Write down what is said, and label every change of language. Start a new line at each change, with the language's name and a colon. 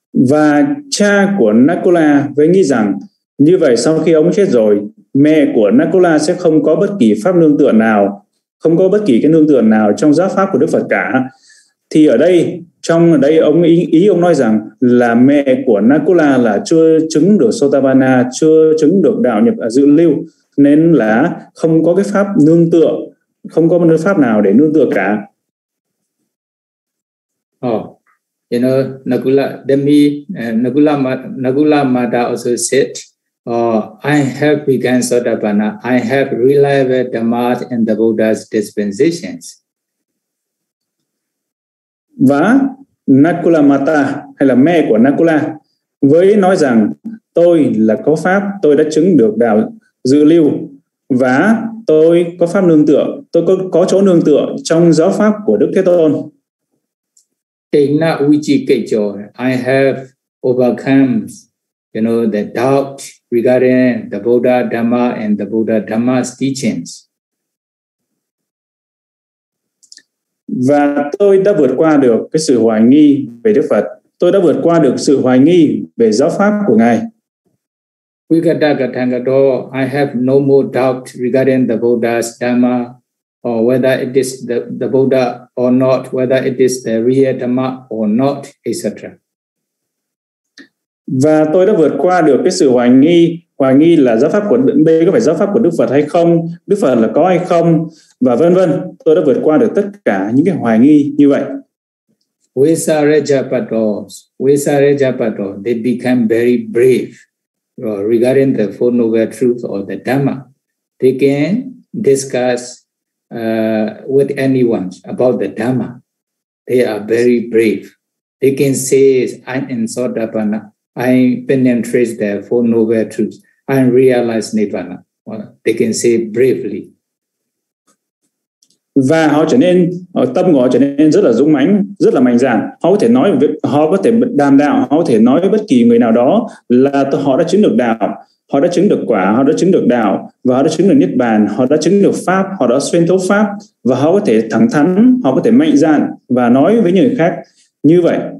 Vietnamese: Và cha của Nakula với nghĩ rằng như vậy sau khi ông chết rồi, mẹ của Nakula sẽ không có bất kỳ pháp nương tựa nào, không có bất kỳ cái nương tựa nào trong giáo pháp của Đức Phật cả. Thì ở đây, trong đây ông ý ông nói rằng là mẹ của Nakula là chưa chứng được Sotapanna, chưa chứng được đạo nhập dự lưu, nên là không có cái pháp nương tựa, không có một pháp nào để nương tựa cả.
English: You know, Nakula, Dhammi, Nakula Mata also said, I have begun Sotapanna, I have realized Dhamma and the Buddha's dispensations.
Vietnamese: Và Nakula Mata, hay là mẹ của Nakula, với nói rằng tôi là có pháp, tôi đã chứng được đạo dự lưu và tôi có pháp nương tựa, tôi có chỗ nương tựa trong giáo pháp của Đức Thế Tôn. Tena uchi kecho,
English: I have overcome, you know, the doubt regarding the Buddha Dhamma and the Buddha Dhamma's teachings.
Vietnamese: Và tôi đã vượt qua được cái sự hoài nghi về Đức Phật. Tôi đã vượt qua được sự hoài nghi về giáo pháp của Ngài.
English: Vigatagatangato, I have no more doubt regarding the Buddha's Dhamma. Or whether it is the Buddha or not, whether it is the real Dhamma or not, etc.
Vietnamese: Và tôi đã vượt qua được cái sự hoài nghi là giáo pháp của B có phải giáo pháp của Đức Phật hay không, Đức Phật là có hay không và vân vân. Tôi đã vượt qua được tất cả những cái hoài nghi như vậy.
English: Visarejapato, they become very brave regarding the Four Noble Truths or the Dhamma. They can discuss with anyone about the Dhamma. They are very brave. They can say, I'm in Sotapanna, I penetrate the Four Noble Truths, I realize Nirvana. They can say bravely.
Vietnamese: Và họ trở nên, tâm của họ trở nên rất là dũng mãnh, rất là mạnh dạn. Họ có thể nói, họ có thể đàm đạo, họ có thể nói với bất kỳ người nào đó là họ đã chứng được đạo. Họ đã chứng được quả, họ đã chứng được đạo và họ đã chứng được Niết Bàn, họ đã chứng được Pháp, họ đã xuyên thấu Pháp và họ có thể thẳng thắn, họ có thể mạnh dạn và nói với người khác như vậy.